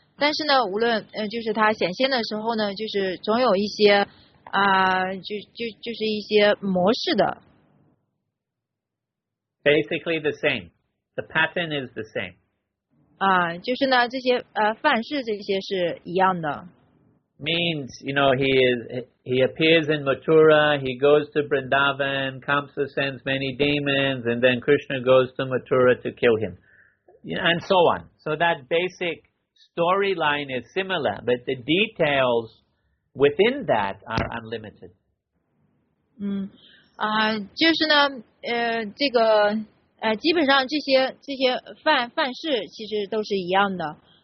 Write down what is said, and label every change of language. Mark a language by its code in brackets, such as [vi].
[zh] 但是呢，无论就是他显现的时候呢，就是总有一些就是一些模式的。 [en] Basically the same. The pattern is the same. [zh] 就是呢，这些范式这些是一样的。 [en] Means, you know, he appears in Mathura, he goes to Vrindavan, Kamsa sends many demons, and then Krishna goes to Mathura to kill him, and so on. So that basic storyline is similar, but the details within that are unlimited. [zh] 就是呢，这个基本上这些范式其实都是一样的。